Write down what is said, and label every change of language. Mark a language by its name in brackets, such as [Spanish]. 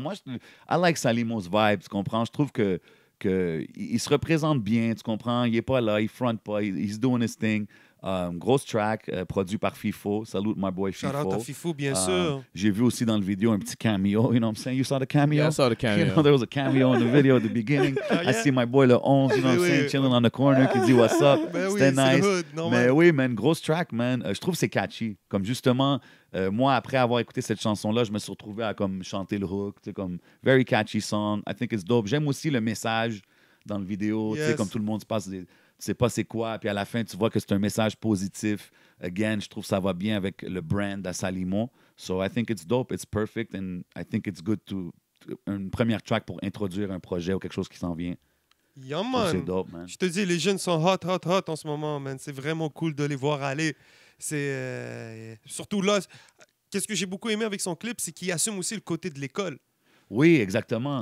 [English] Moi, I like Salimo's vibe, [French] tu comprends? Je trouve qu'il se représente bien, tu comprends? Il est pas là, il front pas, [English] he's doing his thing. [French] Grosse track, produit par FIFO. [English] Salute my boy [French] FIFO. Shout out à FIFO, bien sûr. J'ai vu aussi dans le vidéo un petit cameo. [English] You know what I'm saying? You saw the cameo? Yeah, I saw the cameo. You know, there was a cameo in the video at the beginning. I see my boy le Onze, you know what I'm saying? Chilling on the corner, [French] qui dit [English] what's up. [French] C'était nice. C'est hood, mais oui, man, grosse track, man. Je trouve que c'est catchy. Comme justement, moi, après avoir écouté cette chanson-là, je me suis retrouvé à comme chanter le hook. C'est comme [English] very catchy song. I think it's dope. [French] J'aime aussi le message dans le vidéo. [English] Yes. [French] Tu sais, comme tout le monde se passe des. Tu sais pas c'est quoi, puis à la fin, tu vois que c'est un message positif. Again, je trouve que ça va bien avec le brand à Salimo. [English] So I think it's dope, it's perfect, and I think it's good to... [French] Une première track pour introduire un projet ou quelque chose qui s'en vient. [English] Yo, man. [French] C'est dope, man. Je te dis, les jeunes sont hot en ce moment, man. C'est vraiment cool de les voir aller. C'est... Surtout là, qu'est-ce que j'ai beaucoup aimé avec son clip, c'est qu'il assume aussi le côté de l'école. Oui, exactement.